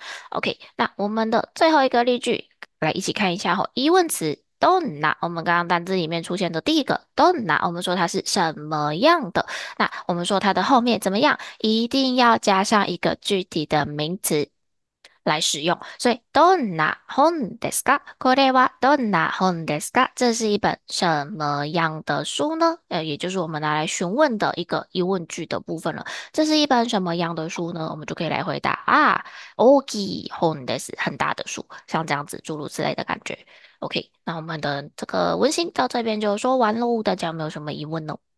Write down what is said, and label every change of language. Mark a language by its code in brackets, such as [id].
[zh] OK，那我们的最后一个例句，来一起看一下吼，疑问词 どんな，我们刚刚单字里面出现的第一个 どんな，我们说它是什么样的，那我们说它的后面怎么样，一定要加上一个具体的名词。来使用，所以 [ja] どんな本ですか？これはどんな本ですか？ [zh] 这是一本什么样的书呢？也就是我们拿来询问的一个疑问句的部分了。这是一本什么样的书呢？我们就可以来回答啊， [ja] 大きい本です， [zh] 很大的书，像这样子诸如此类的感觉。 OK，那我们的这个文心到这边就说完喽，大家有没有什么疑问呢？